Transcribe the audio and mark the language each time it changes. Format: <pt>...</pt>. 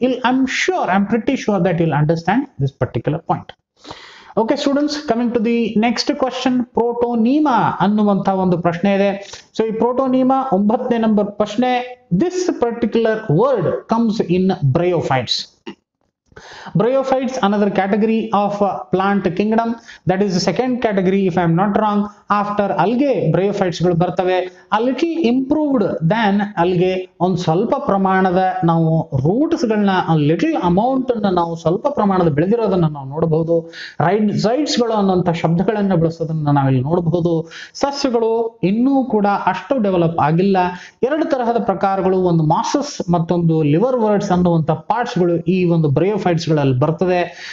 <en>I am pretty sure that you'll understand this particular point. Okay students, coming to the next question, protonema</en> <kn>ಅನ್ನುವಂತಹ ಒಂದು ಪ್ರಶ್ನೆ ಇದೆ. So ಈ ಪ್ರೋಟೋನೀಮ 9th number ಪ್ರಶ್ನೆ.</kn> <en>This particular word comes in bryophytes. Bryophytes, another category of plant kingdom, that is the second category if I am not wrong. After algae, bryophytes</en> <kn>ಗಳು ಬರ್ತವೆ.</kn> <en>A little improved than algae,</en> <kn>ಒಂದು ಸ್ವಲ್ಪ ಪ್ರಮಾಣದ ನಾವು roots ಗಳನ್ನ, little amount ಅನ್ನ ನಾವು ಸ್ವಲ್ಪ ಪ್ರಮಾಣದ ಬೆಳೆದಿರೋದನ್ನ ನಾವು ನೋಡಬಹುದು. ರೈಡ್ಸೈಟ್ಸ್ ಗಳು ಅನ್ನೋಂಥ ಶಬ್ದಗಳನ್ನ ಬಳಸೋದನ್ನ ನಾವಿಲ್ಲಿ ನೋಡಬಹುದು. ಸಸ್ಯಗಳು ಇನ್ನೂ ಕೂಡ ಅಷ್ಟು ಡೆವಲಪ್ ಆಗಿಲ್ಲ. ಎರಡು ತರಹದ ಪ್ರಕಾರಗಳು, ಒಂದು ಮಾಸಸ್ ಮತ್ತೊಂದು ಲಿವರ್ ವರ್ಡ್ಸ್ ಅನ್ನುವಂಥ ಪಾರ್ಟ್ಸ್ ಗಳು ಈ ಒಂದು ಬ್ರಯೋಫೈಟ್ಸ್ ಗಳಲ್ಲಿ ಬರ್ತದೆ.</kn>